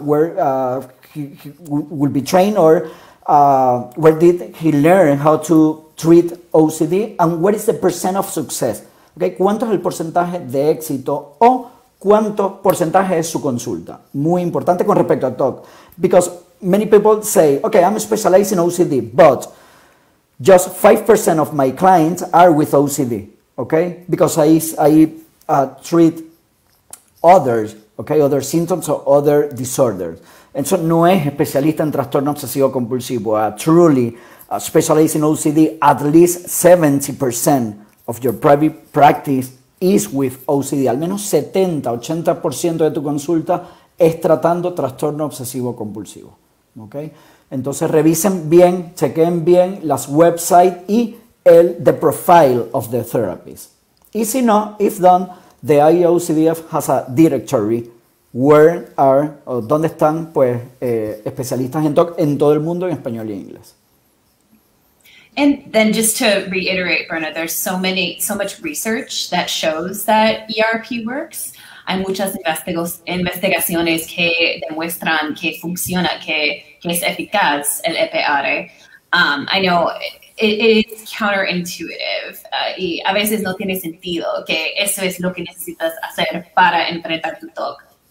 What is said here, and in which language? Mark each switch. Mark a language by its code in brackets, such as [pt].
[en] Where he would be trained, or where did he learn how to treat OCD? And what is the percent of success? Okay. [es] ¿Cuánto es el porcentaje de éxito o cuánto porcentaje es su consulta? Muy importante con respecto a TOC. [en] Because many people say, okay, I'm specializing in OCD, but just 5% of my clients are with OCD, okay? Because I treat others, okay, other symptoms or other disorders. And so [es] no es especialista en trastorno obsesivo compulsivo. [en] Truly, specialized in OCD, at least 70% of your private practice is with OCD. [es] Al menos 70-80% de tu consulta es tratando trastorno obsesivo compulsivo, okay? Entonces revisen bien, chequen bien las websites y el [en] the profile of the therapist. [es] Y si no, [en] if done, the IOCDF has a directory where are, [es] o donde están, pues, especialistas en TOC en todo el mundo en español y inglés. [en] And then just to reiterate, Brenna, there's so much research that shows that ERP works. [es] Hay muchas investigaciones que demuestran que funciona, que es eficaz el EPR. [en] I know it is counterintuitive. [es] Y a veces no tiene sentido que eso es lo que necesitas hacer para enfrentar tu TOC.